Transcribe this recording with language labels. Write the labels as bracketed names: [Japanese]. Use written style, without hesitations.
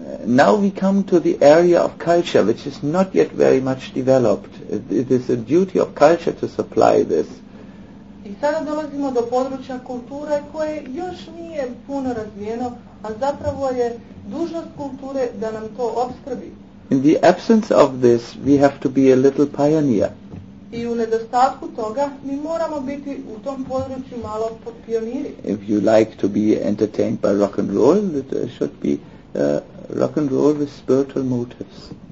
[English] Now we come to the area of culture, which is not yet very much developed. It is a duty of culture to supply this. [Croatian] I sada dolazimo do područja kulture koje još nije puno razvijeno, a zapravo je dužnost kulture da nam to opskrbi. [English] In the absence of this, we have to be a little pioneer. [Croatian] I u nedostatku toga mi moramo biti u tom području malo pioniri. [English] If you like to be entertained by rock and roll, it should be rock and roll with spiritual motives.